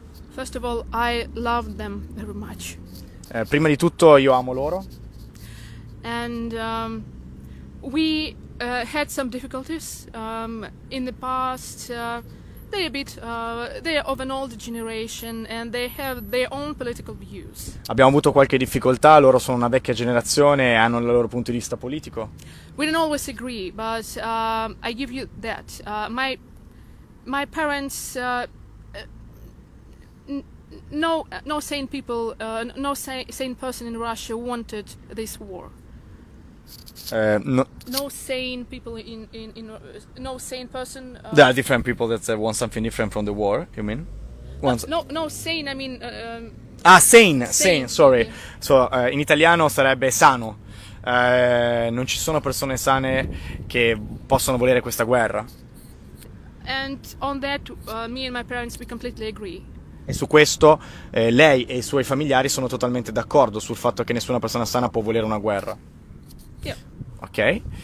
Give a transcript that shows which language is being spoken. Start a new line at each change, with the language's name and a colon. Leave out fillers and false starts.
English: First of all, I love them very much.
Italian: Prima di tutto io amo loro.
English: And we had some difficulties in the past. They are of an older generation and they have their own political views.
Italian: Abbiamo avuto qualche difficoltà, loro sono una vecchia generazione e hanno il loro punto di vista politico.
English: We don't always agree, but I give you that. My parents No sane people, no sane person in Russia wanted this war. There are different people that want something different from the war, you mean? Sane.
Italian: So, in italiano sarebbe sano. Non ci sono persone sane che possono volere questa guerra.
English: And on that, me and my parents, we completely agree.
Italian: E su questo lei e i suoi familiari sono totalmente d'accordo sul fatto che nessuna persona sana può volere una guerra.
English: Yeah. Ok.